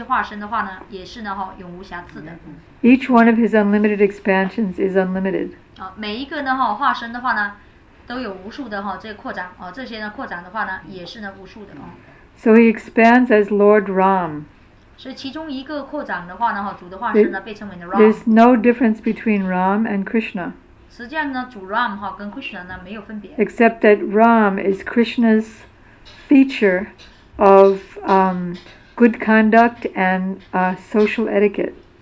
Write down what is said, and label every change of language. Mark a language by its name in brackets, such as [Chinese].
[Chinese] 那么这里面讲的话，我向呢这个呢哈主Govinda呢哈，就是说呢顶拜，他呢有无数的哈这些化身，而这些化身的话呢，也是呢哈永无瑕疵的。 [English] Each one of his unlimited expansions is unlimited. [Chinese] 每一个的化身的话呢，都有无数的这些扩展的话呢，也是无数的。 [English] So he expands as Lord Ram. [Chinese] 所以其中一个扩展的话呢，主的化身呢被称为Ram. [English] There's no difference between Ram and Krishna. [Chinese] 实际上呢，主Ram跟Krishna呢没有分别。 [English] Except that Ram is Krishna's feature of good conduct and social etiquette.